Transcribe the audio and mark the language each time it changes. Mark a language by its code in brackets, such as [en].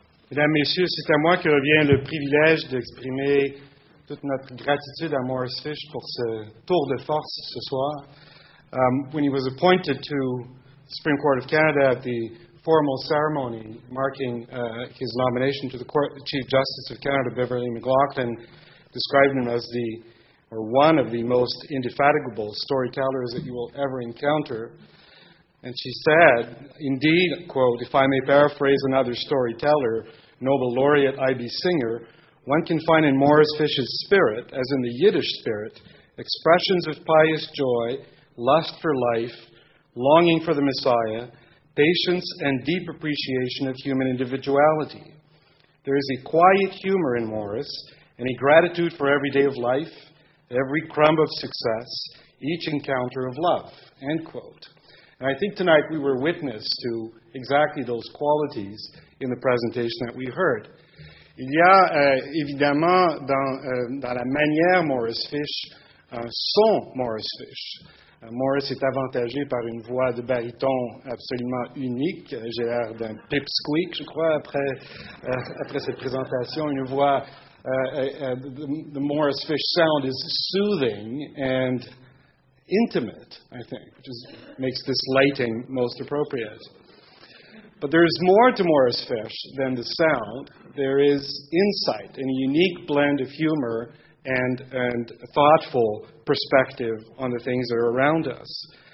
[fr] Mesdames, Messieurs, c'est à moi que revient le privilège d'exprimer toute notre gratitude à Morris Fish pour ce tour de force ce soir. [en] When he was appointed to the Supreme Court of Canada at the formal ceremony marking his nomination to the Court, Chief Justice of Canada, Beverly McLaughlin, described him as one of the most indefatigable storytellers that you will ever encounter. And she said, indeed, quote, if I may paraphrase another storyteller, Nobel laureate I.B. Singer, one can find in Morris Fish's spirit, as in the Yiddish spirit, expressions of pious joy, lust for life, longing for the Messiah, patience and deep appreciation of human individuality. There is a quiet humor in Morris, and a gratitude for every day of life, every crumb of success, each encounter of love, end quote. And I think tonight we were witness to exactly those qualities in the presentation that we heard. [fr] Il y a évidemment dans la manière Morris Fish, un son Morris Fish. Morris est avantagé par une voix de baryton absolument unique. J'ai l'air d'un pipsqueak, je crois, après cette présentation. Une voix, [en] the Morris Fish sound is soothing and intimate, I think, which is, makes this lighting most appropriate. But there is more to Morris Fish than the sound. There is insight, a unique blend of humor and thoughtful perspective on the things that are around us.